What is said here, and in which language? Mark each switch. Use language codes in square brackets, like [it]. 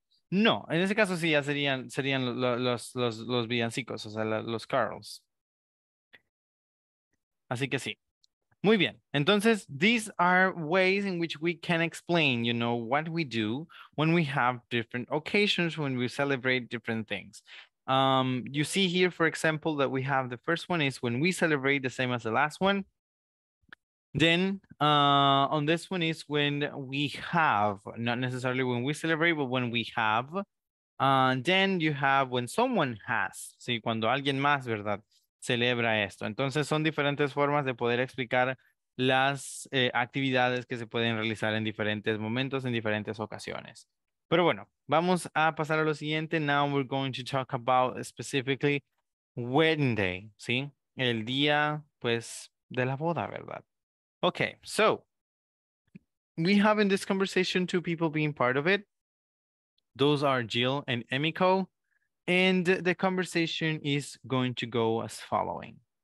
[es] No, en ese caso sí, ya serían los villancicos, o sea, los carols. Así que sí. Muy bien. Entonces, [en] these are ways in which we can explain, you know, what we do when we have different occasions, when we celebrate different things. You see here, for example, that we have the first one is when we celebrate the same as the last one. Then on this one is when we have, not necessarily when we celebrate, but when we have. Then you have when someone has. [es] Sí, cuando alguien más, ¿verdad? Celebra esto. Entonces son diferentes formas de poder explicar las actividades que se pueden realizar en diferentes momentos, en diferentes ocasiones. Pero bueno, vamos a pasar a lo siguiente. [en] Now we're going to talk about specifically Wednesday, ¿sí? [es] El día, pues, de la boda, ¿verdad? [en] Okay, so we have in this conversation two people being part of it. Those are Jill and Emiko. And the conversation is going to go as following.